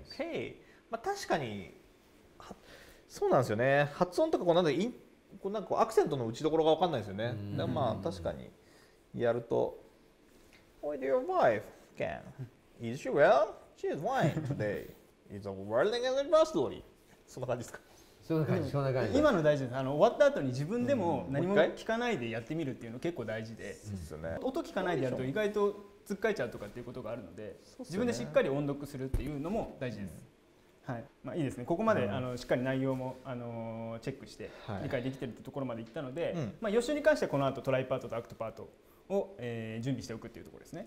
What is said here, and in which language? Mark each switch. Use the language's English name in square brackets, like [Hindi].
[Japanese] Hey, まあ確かにそうなんですよね。発音とかこうなんだイン、こうなんかこうアクセントの打ちどころが分かんないですよね。でまあ確かにやると、 [English] How is your wife, Ken? Is she well? She is fine today. It's a wedding anniversary. [Japanese] そんな感じですか。そんな感じ、そんな感じ。今の大事です。終わった後に自分でも何も聞かないでやってみるっていうの結構大事で、うん、音聞かないでやると意外とつっかえちゃうとかっていうことがあるので、自分でしっかり音読するっていうのも大事です。うん、はい、まあ、いいですね。ここまで、うん、しっかり内容も、チェックして理解できてるってところまで行ったので、はい、まあ、予習に関してはこの後トライパートとアクトパートを、準備しておくっていうところですね、